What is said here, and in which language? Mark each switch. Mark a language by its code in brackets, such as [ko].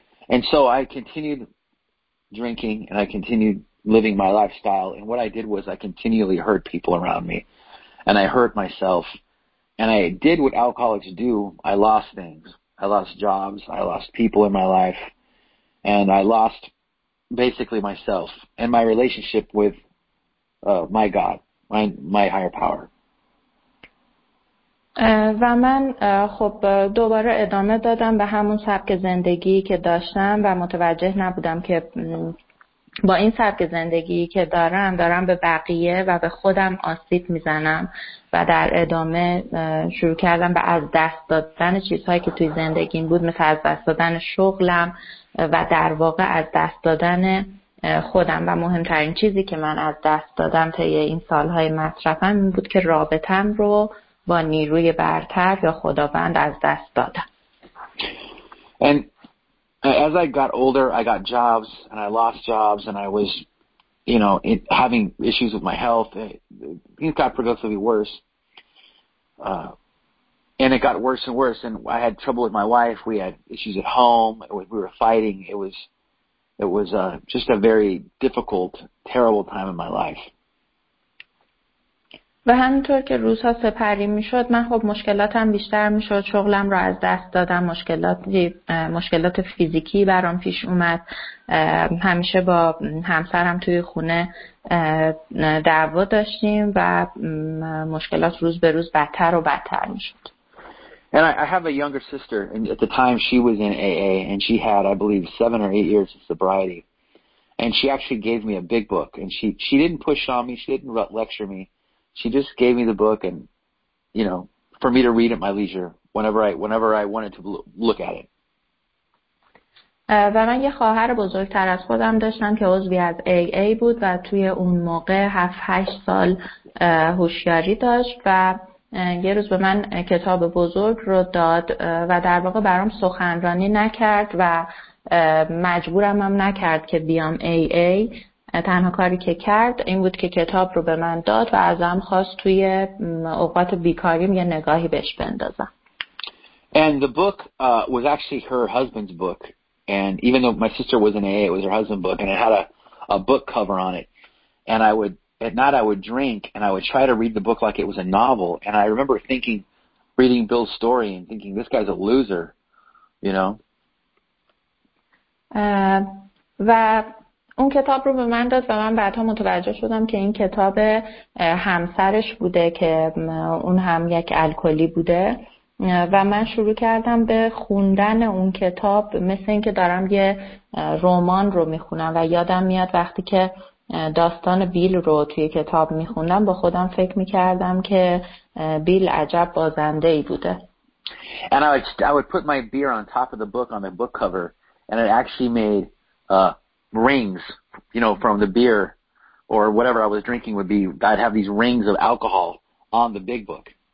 [en] And so I continued drinking and I continued living my lifestyle, and what I did was I continually hurt people around me and I hurt myself, and I did what alcoholics do. I lost things. I lost jobs, I lost people in my life, and I lost basically myself and my relationship with my God. My higher power. [fa] و من خب دوباره ادامه دادم به همون سبک زندگی که داشتم و متوجه نبودم که با این سبک زندگی که دارم به بقیه و به خودم آسیب میزنم و در ادامه شروع کردم به از دست دادن چیزهایی که توی زندگیم بود، مثل از دست دادن شغلم و در واقع از دست دادن خودم، و مهمترین چیزی که من از دست دادم طی این سالهای مصرفم این بود که رابطم رو با نیروی برتر یا خداوند از دست دادم. [en] And as I got older, I got jobs and I lost jobs and I was, you know, having issues with my health. It got progressively worse. And it got worse and worse, and I had trouble with my wife. We had issues at home. We were fighting. It was just a very difficult, terrible time in my life. [fa] و همونطور که روزها سپری میشد، من خب مشکلاتم بیشتر میشد، شغلم رو از دست دادم، مشکلات فیزیکی برام پیش اومد، همیشه با همسرم توی خونه دعوا داشتیم و مشکلات روز به روز بدتر و بدتر میشد. [en] And I have a younger sister, and at the time she was in AA, and she had, I believe, 7 or 8 years of sobriety. And she actually gave me a big book, and she didn't push on me, she didn't lecture me, she just gave me the book, and, you know, for me to read at my leisure, whenever I wanted to look at it. [fa] و من یه خواهر بزرگتر از خودم داشتم که عضوی از AA بود و توی اون موقع 7-8 سال هوشیاری داشت و یه روز به من کتاب بزرگ رو داد و در واقع برام سخنرانی نکرد و مجبورم هم نکرد که بیام AA. تنها کاری که کرد این بود که کتاب رو به من داد و ازم خواست توی اوقات بیکاریم یه نگاهی بهش بندازم. [en] And the book was actually her husband's book, and even though my sister was in AA, it was her husband's book, and it had a book cover on it, and I would at night I would drink and I would try to read the book like it was a novel, and I remember thinking, reading Bill's story and thinking, this guy's a loser, you know. [fa] و اون کتاب رو به من داد و من بعدها متوجه شدم که این کتاب همسرش بوده که اون هم یک الکلی بوده، و من شروع کردم به خوندن اون کتاب مثل اینکه دارم یه رمان رو میخونم، و یادم میاد وقتی که داستان بیل رو توی کتاب میخوندم با خودم فکر میکردم که بیل عجب بازنده‌ای بوده. [en] And I would put my beer on top of the book on the book cover, and it actually made rings, you know, from the beer or whatever I was drinking would be, I'd have these rings of alcohol on the big book.